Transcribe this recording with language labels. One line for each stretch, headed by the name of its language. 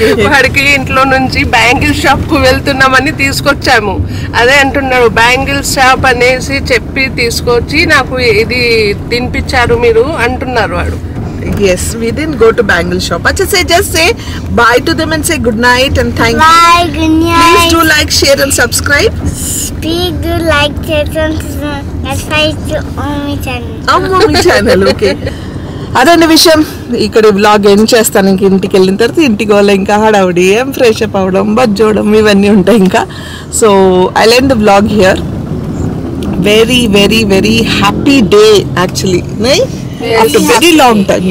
Telugu: వాడికి ఇంట్లో నుంచి బ్యాంగిల్ షాప్కు వెళ్తున్నామని తీసుకొచ్చాము. అదే అంటున్నాడు బ్యాంగిల్ షాప్ అనేసి చెప్పి తీసుకొచ్చి నాకు ఇది తినిపించారు మీరు అంటున్నారు వాడు.
English: Yes, we didn't go to bangle shop. Acha, say, just say bye to them and say good night and thank you. Bye, good night. Please do like, share and subscribe. Please do like, share and subscribe to Omni channel. Omni channel, okay.
Telugu: అదే విషయం. ఇక్కడ vlog ఏం చేస్తాను, ఇంక ఇంటికి వెళ్ళిన తర్వాత ఇంటికి వాళ్ళు ఇంకా హడావుడి ఏం ఫ్రెష్ అప్ అవ్వడం, బజ్జోడం, ఇవన్నీ ఉంటాయి ఇంకా.
English: So I లెన్ the vlog here. Very very very happy day actually, నై after very long time.